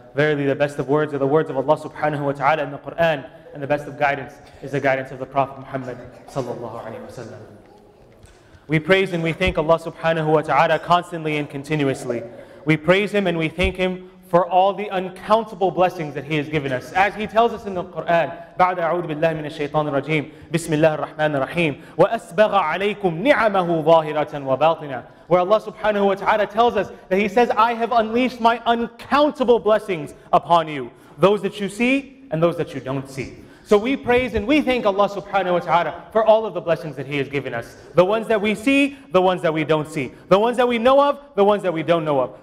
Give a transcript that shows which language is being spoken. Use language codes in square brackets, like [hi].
[en] Verily the best of words are the words of Allah subhanahu wa ta'ala in the Qur'an, and the best of guidance is the guidance of the Prophet Muhammad sallallahu alayhi wa sallam. We praise and we thank Allah subhanahu wa ta'ala constantly and continuously. We praise Him and we thank Him for all the uncountable blessings that He has given us. As He tells us in the Quran, [ar] بَعْدَ أَعُوذُ بِاللَّهِ مِنَ الشَّيْطَانِ الرَّجِيمِ بِسْمِ اللَّهِ الرَّحْمَنِ الرَّحِيمِ وَأَسْبَغَ عَلَيْكُمْ نِعَمَهُ ظَاهِرَةً وَبَاطِنًا. [en] Where Allah subhanahu wa ta'ala tells us that He says, I have unleashed my uncountable blessings upon you. Those that you see and those that you don't see. So we praise and we thank Allah subhanahu wa ta'ala for all of the blessings that He has given us. The ones that we see, the ones that we don't see. The ones that we know of, the ones that we don't know of.